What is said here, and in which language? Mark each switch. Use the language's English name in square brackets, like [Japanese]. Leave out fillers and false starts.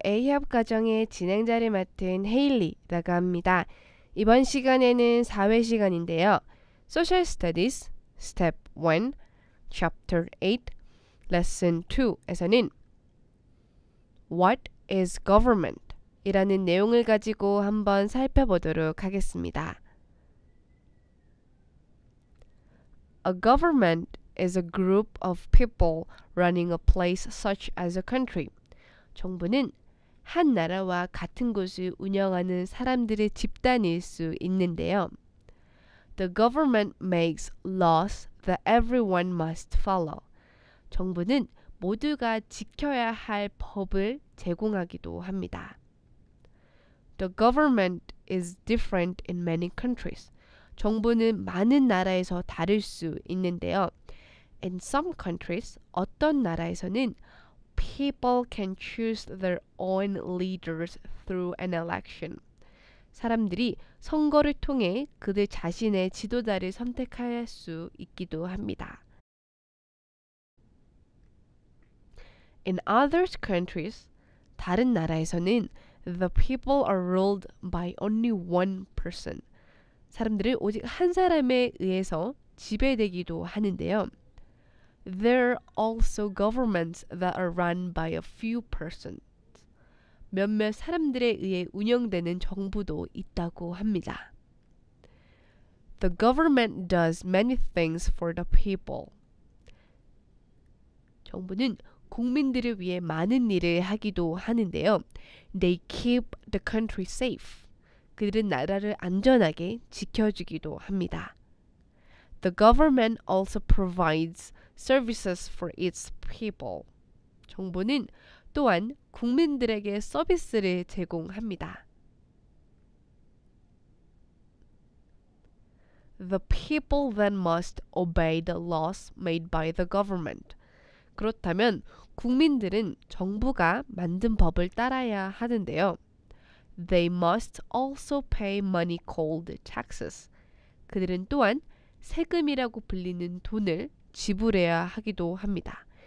[Korean] AHOP 가정의 진행자를 맡은 헤일리라고 합니다. 이번 시간에는 사회 시간인데요. [English] Social Studies, Step 1, Chapter 8, Lesson 2에서는 What is Government? [Korean] 이라는 내용을 가지고 한번 살펴보도록 하겠습니다. [English] A government is a group of people running a place such as a country. [Korean] 정부는 한 나라와 같은 곳을 운영하는 사람들의 집단일 수 있는데요. [English] The government makes laws that everyone must follow. [Korean] 정부는 모두가 지켜야 할 법을 제공하기도 합니다. [English] The government is different in many countries. [Korean] 정부는 많은 나라에서 다를 수 있는데요. [English] In some countries, [Korean] 어떤 나라에서는 [English] People can choose their own leaders through an election. [Korean] 사람들이 선거를 통해 그들 자신의 지도자를 선택할 수 있기도 합니다. [English] In other countries, [Korean] 다른 나라에서는 [English] the people are ruled by only one person. [Korean] 사람들은 오직 한 사람에 의해서 지배되기도 하는데요. [English] There are also governments that are run by a few persons. [Korean] 몇몇 사람들에 의해 운영되는 정부도 있다고 합니다. [English] The government does many things for the people. [Korean] 정부는 국민들을 위해 많은 일을 하기도 하는데요. [English] They keep the country safe. [Korean] 그들은 나라를 안전하게 지켜주기도 합니다. [English] The government also provides services for its people. [Korean] 정부는 또한 국민들에게 서비스를 제공합니다. [English] The people then must obey the laws made by the government. [Korean] 그렇다면 국민들은 정부가 만든 법을 따라야 하는데요. [English] They must also pay money called taxes. [Korean] 그들은 또한 세금이라고 불리는 돈을 지불해야 하기도 합니다.